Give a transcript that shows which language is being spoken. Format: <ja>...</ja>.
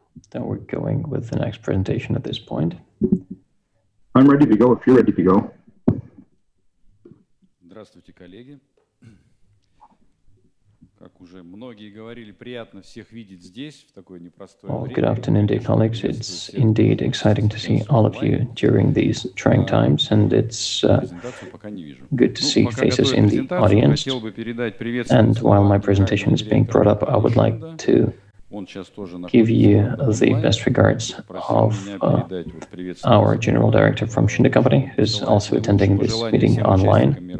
<en>Then we're going with the next presentation at this point. I'm ready to go if you're ready to go.</en> <ru>Здравствуйте, коллеги. как уже многие говорили, приятно всех видеть здесь в такое непростое время.</ru> <en>Good afternoon, dear colleagues. It's indeed exciting to see all of you during these trying times, and it's good to see faces in the audience. And while my presentation is being brought up, I would like to give you the best regards of our general director from Shinda Company, who's also attending this meeting online.</en>